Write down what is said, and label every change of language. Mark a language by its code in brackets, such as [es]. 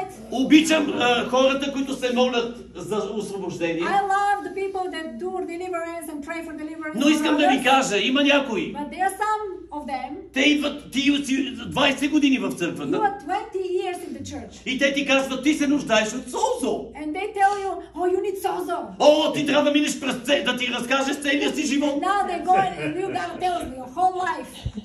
[bg] Обичам хората, които се молят за освобождение. [en] I love the people that do deliverance and pray for deliverance. [bg] Но искам да ви кажа, има някои. [en] But there are some of them. [bg] Те идват, ти си 20 години в църквата. [en] You are 20 years in the church. [bg] И те ти казват, ти се нуждаеш от созо. [en] And they tell you, oh, you need sozo. [bg] О, ти трябва да минеш през да ти разкажеш целия си живот. [en] Now they go and you gotta tell me your whole life.